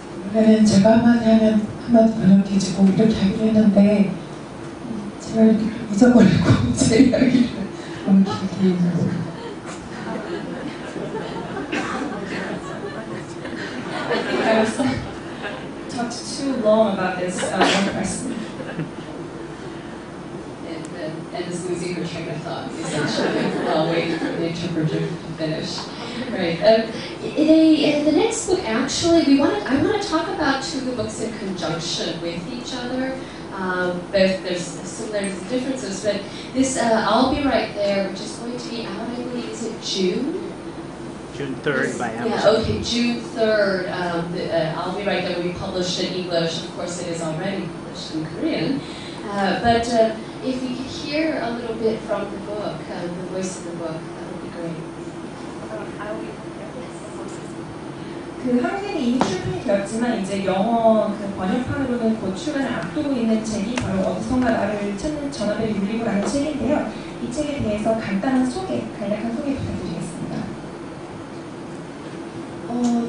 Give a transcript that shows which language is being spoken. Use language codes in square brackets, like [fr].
[ko] 그러면 제가 한마디 하면 이렇게 지금 이렇게 하기로 했는데 제가 이렇게 잊어버리고 제 이야기를 옮기게 해서 [en] I think I was talked too long about this one question. And it's losing her train of thought, essentially, while waiting for the interpreter to finish. Right. In the next book, actually, I want to talk about two of the books in conjunction with each other. Both there's similarities and differences, but this I'll Be Right There, which is going to be out, I believe, is it June? June 3rd by Amazon. Yeah, okay, June 3rd. I'll Be Right There will be published in English. Of course, it is already published in Korean. But if you could hear a little bit from the book, the voice of the book, that would be great. [ko] 그 한글이 출판되었지만 이제 영어 그 번역판으로는 곧 출간을 앞두고 있는 책이 바로 어디선가 나를 찾는 전화벨 울리고라는 책인데요. 이 책에 대해서 간단한 소개, 간략한 소개 부탁드리겠습니다.